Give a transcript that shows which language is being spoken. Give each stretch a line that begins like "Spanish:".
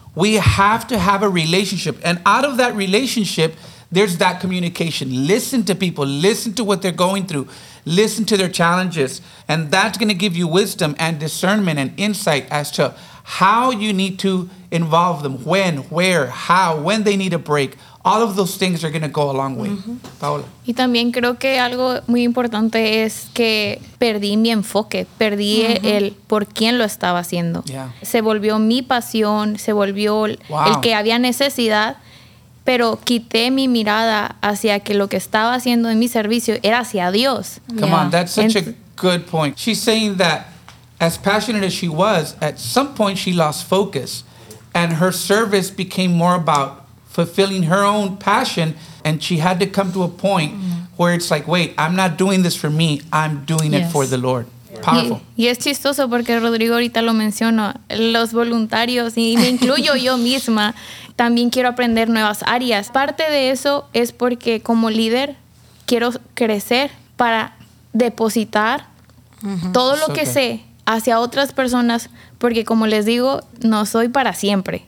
English: We have to have a relationship. And out of that relationship, there's that communication. Listen to people. Listen to what they're going through. Listen to their challenges. And that's going to give you wisdom and discernment and insight as to how you need to involve them, when, where, how, when they need a break. All of those things are going to go a long way. Mm-hmm. Paola.
Spanish: Y también creo que algo muy importante es que perdí mi enfoque. Perdí el por quién lo estaba haciendo.
English: Yeah.
Spanish: Se volvió mi pasión. Se volvió el que había necesidad. Pero quité mi mirada hacia que lo que estaba haciendo en mi servicio era hacia Dios.
English: Come on, that's such a good point. She's saying that as passionate as she was, at some point she lost focus and her service became more about fulfilling her own passion, and she had to come to a point where it's like, wait, I'm not doing this for me, I'm doing it for the Lord. Powerful.
Spanish: Y es chistoso porque Rodrigo ahorita lo mencionó, los voluntarios, y me incluyo yo misma, también quiero aprender nuevas áreas. Parte de eso es porque como líder quiero crecer para depositar todo lo que sé hacia otras personas, porque como les digo, no soy para siempre.